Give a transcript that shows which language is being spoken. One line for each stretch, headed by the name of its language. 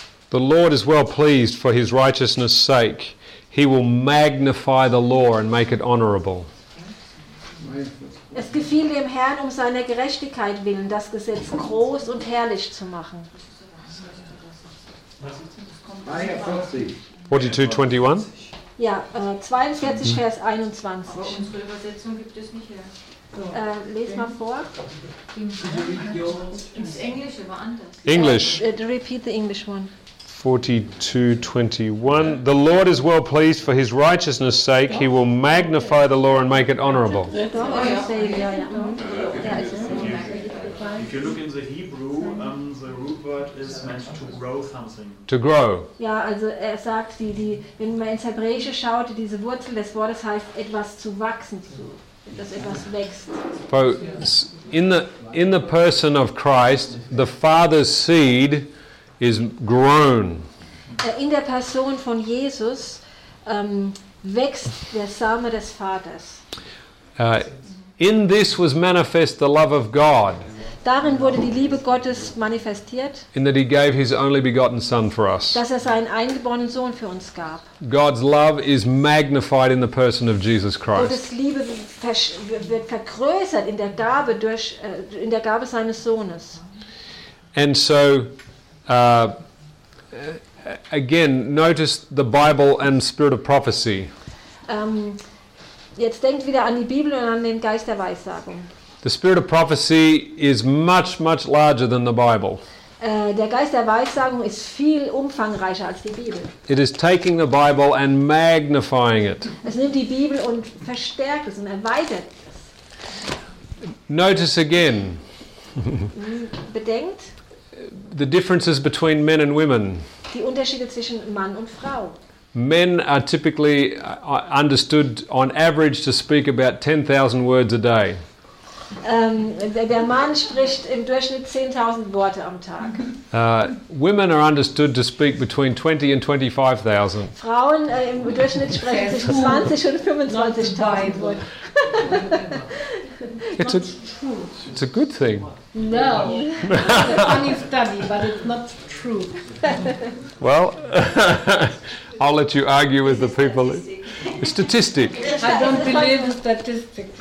English: The Lord is well pleased for his righteousness' sake. He will magnify the law and make it honorable.
German: Es gefiel dem Herrn, um seiner Gerechtigkeit willen, das Gesetz groß und herrlich zu machen.
English: 42:21.
German: Ja, 42 Vers 21. Unsere Übersetzung gibt es nicht her. Les mal vor. Ins Englische war anders.
English: English. Repeat the English one. 42:21. The Lord is well pleased for his righteousness' sake. He will magnify the law and make it honorable. If you look in the Hebrew, the root word is meant to grow something. To grow.
German: Ja, also er sagt, die wenn man ins Hebräische schaut, diese Wurzel des Wortes heißt etwas zu wachsen, dass etwas wächst.
English: So in the person of Christ, the Father's seed is grown.
German: In der Person von Jesus wächst der Same des Vaters.
English: In this was manifest the love of God.
German: Darin wurde die Liebe Gottes manifestiert.
English: In that he gave his only begotten son for us.
German: Dass er seinen eingeborenen Sohn für uns gab.
English: God's love is magnified in the person of Jesus Christ.
German: Gottes Liebe wird vergrößert in der Gabe durch in der Gabe seines Sohnes.
English: And so again, notice the Bible and spirit of prophecy.
German: Jetzt denkt wieder an die Bibel und an den Geist der Weissagung.
English: The spirit of prophecy is much, much larger than the Bible.
German: Der Geist der Weissagung ist viel umfangreicher als die Bibel.
English: It is taking the Bible and magnifying it.
German: Es nimmt die Bibel und verstärkt es und erweitert es.
English: Notice again.
German: Bedenkt.
English: The differences between men and women.
German: Die Unterschiede zwischen Mann und Frau.
English: Men are typically understood on average to speak about 10,000 words a day.
German: Der Mann spricht im Durchschnitt 10.000 Worte am Tag.
English: Women are understood to speak between 20 and 25,000.
German: Frauen im Durchschnitt sprechen zwischen 20 und 25,000 Worte.
English: It's a good thing. No. It's a funny study, but it's not true. Well, I'll let you argue with the people. Statistic. I don't believe in statistics.